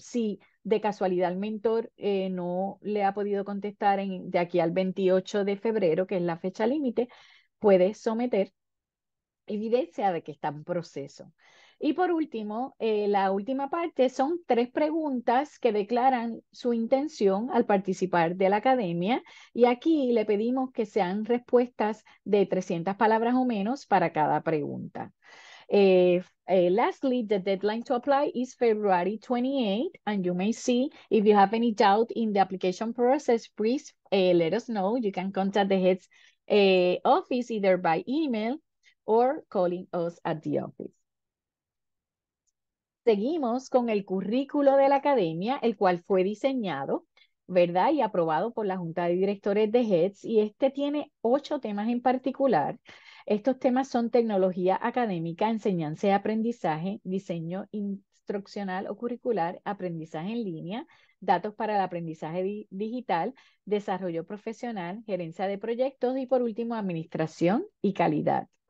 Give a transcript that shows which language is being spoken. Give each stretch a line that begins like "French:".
Spanish: Si de casualidad el mentor no le ha podido contestar de aquí al 28 de febrero, que es la fecha límite, puede someter evidencia de que está en proceso. Y por último, la última parte son tres preguntas que declaran su intención al participar de la academia. Y aquí le pedimos que sean respuestas de 300 palabras o menos para cada pregunta.
English: Lastly, the deadline to apply is February 28th, and you may see if you have any doubt in the application process, please let us know. You can contact the HETS office either by email or calling us at the office.
Spanish: Seguimos con el currículo de la academia, el cual fue diseñado, ¿verdad? Y aprobado por la Junta de Directores de HETS, y este tiene ocho temas en particular. Estos temas son tecnología académica, enseñanza y aprendizaje, diseño instruccional o curricular, aprendizaje en línea, datos para el aprendizaje di digital, desarrollo profesional, gerencia de proyectos y por último, administración y calidad.